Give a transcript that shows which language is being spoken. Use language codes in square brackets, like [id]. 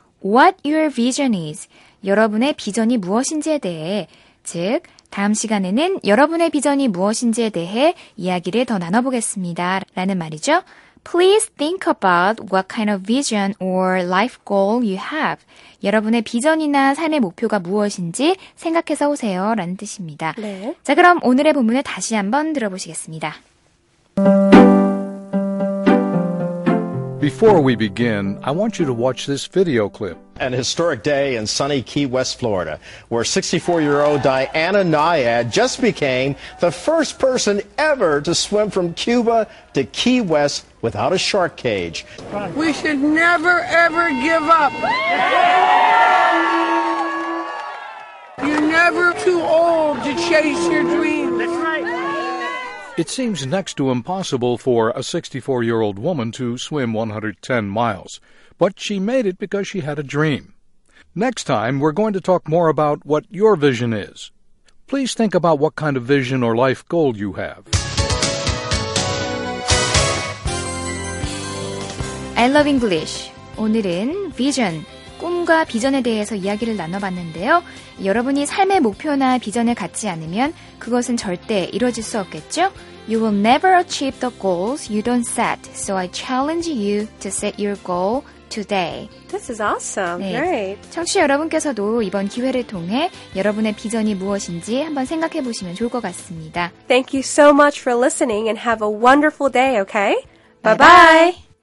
[en] What your vision is, [ko] 여러분의 비전이 무엇인지에 대해, 즉, 다음 시간에는 여러분의 비전이 무엇인지에 대해 이야기를 더 나눠보겠습니다. 라는 말이죠. [en] Please think about what kind of vision or life goal you have. [ko] 여러분의 비전이나 삶의 목표가 무엇인지 생각해서 오세요. 라는 뜻입니다. 네. 자, 그럼 오늘의 본문을 다시 한번 들어보시겠습니다. [en] Before we begin, I want you to watch this video clip. An historic day in sunny Key West, Florida, where 64-year-old Diana Nyad just became the first person ever to swim from Cuba to Key West without a shark cage. We should never, ever give up. You're never too old to chase your dreams. That's right. It seems next to impossible for a 64-year-old woman to swim 110 miles, but she made it because she had a dream. Next time, we're going to talk more about what your vision is. Please think about what kind of vision or life goal you have. I love English. [ko] 오늘은 vision, 꿈과 비전에 대해서 이야기를 나눠봤는데요. 여러분이 삶의 목표나 비전을 갖지 않으면 그것은 절대 이루어질 수 없겠죠? [en] You will never achieve the goals you don't set. So I challenge you to set your goal today. This is awesome. [ko] 네. [en] Great. [ko] 청취자 여러분께서도 이번 기회를 통해 여러분의 비전이 무엇인지 한번 생각해 보시면 좋을 것 같습니다. [en] Thank you so much for listening and have a wonderful day, okay? Bye-bye. Bye-bye.